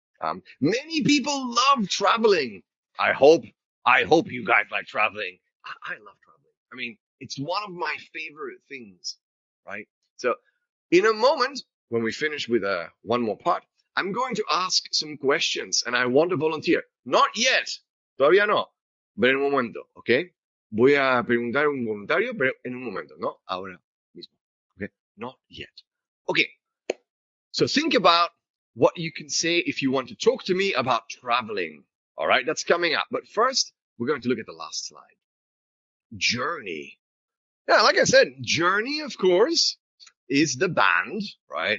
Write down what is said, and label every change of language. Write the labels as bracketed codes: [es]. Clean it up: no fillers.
[en] Right? Many people love traveling. I hope you guys like traveling. I love traveling. I mean, it's one of my favorite things. Right? So in a moment, when we finish with one more part, I'm going to ask some questions and I want to volunteer. Not yet. [es] Todavía no. Pero en un momento, okay? Voy a preguntar a un voluntario, pero en un momento, no ahora mismo. [en] Okay? Not yet. Okay. So think about what you can say if you want to talk to me about traveling. All right? That's coming up. But first, we're going to look at the last slide. Journey. Yeah, like I said, journey, of course, is the band, right?